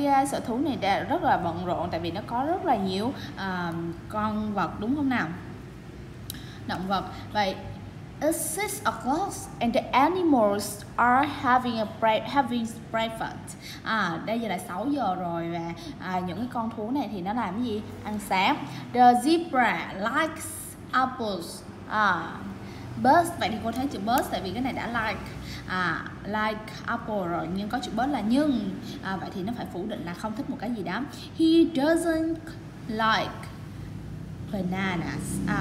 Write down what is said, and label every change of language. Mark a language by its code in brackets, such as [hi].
[vi] Sở thú này đã rất là bận rộn tại vì nó có rất là nhiều con vật, đúng không nào? Động vật. [en] Vậy it's 6 o'clock and the animals are having breakfast. [vi] Đây giờ là 6 giờ rồi và những cái con thú này thì nó làm cái gì? Ăn sáng. [en] The zebra likes apples. [vi] Bird, vậy thì cô thấy chữ bird tại vì cái này đã like apple rồi, nhưng có chữ bird là nhưng. Vậy thì nó phải phủ định là không thích một cái gì đó. [en] He doesn't like bananas.